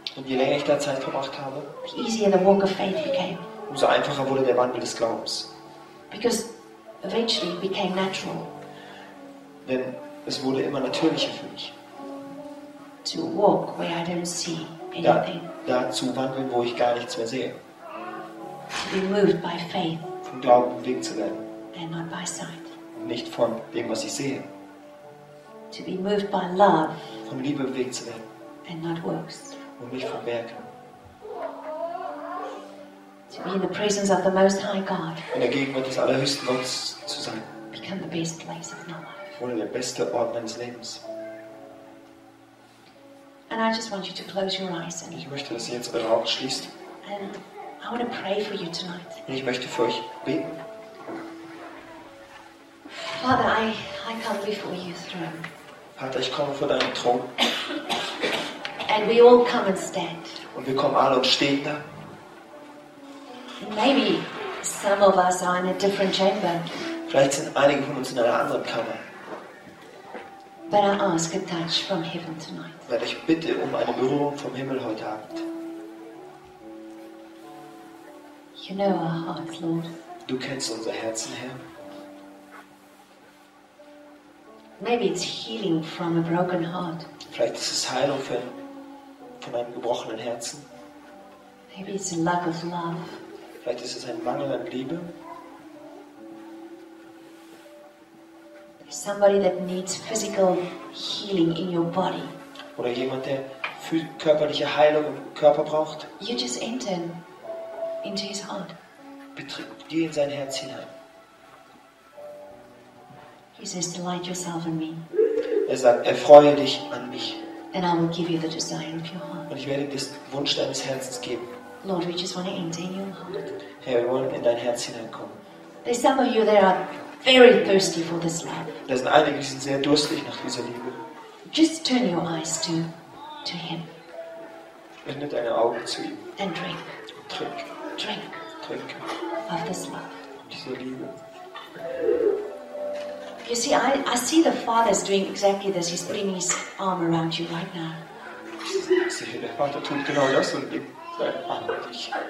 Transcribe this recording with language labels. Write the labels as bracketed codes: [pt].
[de] und je länger ich da Zeit verbracht habe, [en] the easier the walk of faith became. [de] Umso einfacher wurde der Wandel des Glaubens. [en] Because eventually it became natural. [de] Denn es wurde immer natürlicher für mich. [en] To walk where I don't see anything. [de] Da zu wandeln, wo ich gar nichts mehr sehe. [en] To be moved by faith. [de] Vom Glauben bewegt zu werden. [en] And not by sight. [de] Nicht von dem, was ich sehe. [en] To be moved by love. [de] Von Liebe bewegt zu werden. [en] And not works. [de] Und nicht von Werken. [en] To be in the presence of the Most High God. [de] In der Gegenwart des Allerhöchsten Gottes zu sein. [en] Become the best place of my life. [de] Wurde der beste Ort meines Lebens. [en] And I just want you to close your eyes and [de] ich möchte, dass ihr jetzt eure Augen schließt. [en] And I want to pray for you tonight. [de] Und ich möchte für euch beten. [en] Father, I come before your throne. [de] Vater, ich komme vor deinen Thron. [en] And we all come and stand. [de] Und wir kommen alle und stehen da. [en] And maybe some of us are in a different chamber. [de] Vielleicht sind einige von uns in einer anderen Kammer. [en] But I ask a touch from heaven tonight. [de] Weil ich bitte um eine Berührung vom Himmel heute Abend. [en] You know our hearts, Lord. [de] Du kennst unser Herzen, Herr. [en] Maybe it's healing from a broken heart. [de] Vielleicht ist es Heilung von einem gebrochenen Herzen. [en] Maybe it's a lack of love. [de] Vielleicht ist es ein Mangel an Liebe. [en] Somebody that needs physical healing in your body. [de] Oder jemand, der körperliche Heilung im Körper braucht. [en] You just enter into his heart. [de] Geh in sein Herz hinein. [en] He says, delight yourself in me. [de] Er sagt, erfreue dich an mich. [en] And I will give you the desire of your heart. [de] Und ich werde dir den Wunsch deines Herzens geben. [en] Lord, we just want to enter in your heart. [de] Herr, wir wollen in dein Herz hineinkommen. [en] There's some of you that are very thirsty for this love. [de] Da sind einige, die sind sehr durstig nach dieser Liebe. [en] Just turn your eyes to him. [de] Wende deine Augen zu ihm. [en] And drink. [de] Trink. [en] Drink. [de] Trink. [en] Of this love. [de] Dieser Liebe. [en] You see, I see the Father's doing exactly this. He's putting his arm around you right now. [de] Sehe, der Vater tut genau das und legt seinen Arm an dich.